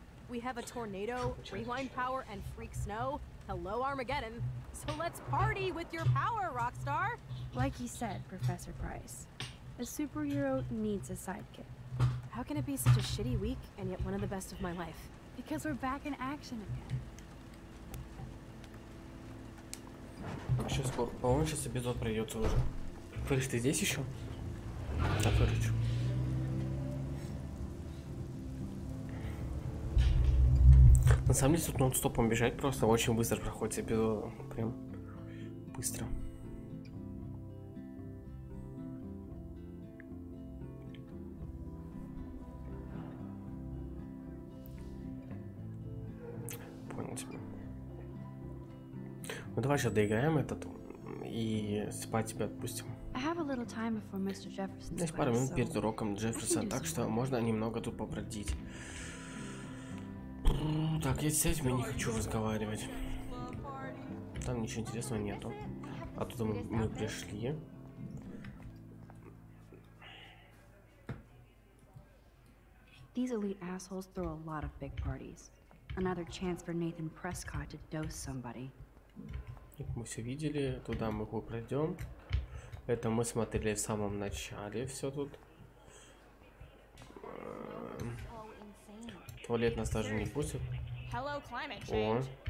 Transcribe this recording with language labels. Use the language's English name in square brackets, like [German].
[English] We have a tornado, rewind power, and freak snow. Hello, Armageddon. So let's party with your power, Rockstar. Like he said, Professor Price, a superhero needs a sidekick. How can it be such a shitty week and yet one of the best of my life? Because we're back in action again. [Russian] Сейчас, по-моему, сейчас эпизод пройдется уже. Фэрридж, ты здесь еще? Да, Фэрридж. На самом деле, тут нон-стопом бежать просто очень быстро проходит эпизод. Прям быстро. Ну давай сейчас доиграем этот и спать тебя отпустим. [English] I have have a little time before Mr. Jefferson. [Russian] Здесь пару минут перед уроком Джефферсона, так что можно немного тут побродить. Так, я с этим не хочу разговаривать. Там ничего интересного нету. Оттуда мы пришли. [English] These elite assholes throw a lot of big parties. Another chance for Nathan Prescott to dose somebody. [Russian] Так, мы все видели, туда мы пройдем. Это мы смотрели в самом начале все тут. Туалет нас даже не пустит. [English] Hello,